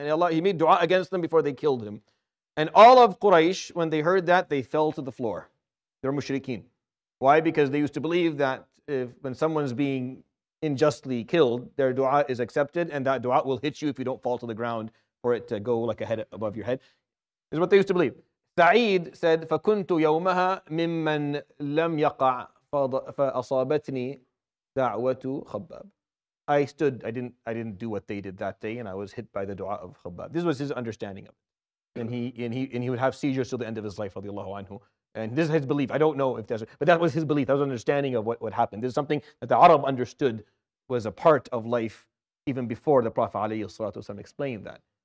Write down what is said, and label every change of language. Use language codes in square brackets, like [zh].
[en] And Allah, he made dua against them before they killed him. And all of Quraysh, when they heard that, they fell to the floor. They're mushrikeen. Why? Because they used to believe that if when someone's being unjustly killed, their dua is accepted, and that dua will hit you if you don't fall to the ground for it to go like a head above your head. Is what they used to believe. Sa'id said, [ar] فَكُنْتُ يَوْمَهَا مِمَّنْ لَمْ يَقَعْ فَأَصَابَتْنِي دَعْوَةُ خَبَّابٍ. [en] I didn't do what they did that day, and I was hit by the dua of Khabbab. This was his understanding of it. And he would have seizures till the end of his life, radiallahu anhu. And this is his belief. I don't know if that's, but that was his belief. That was his understanding of what happened. This is something that the Arab understood was a part of life even before the Prophet alayhi salatu wasalam explained that.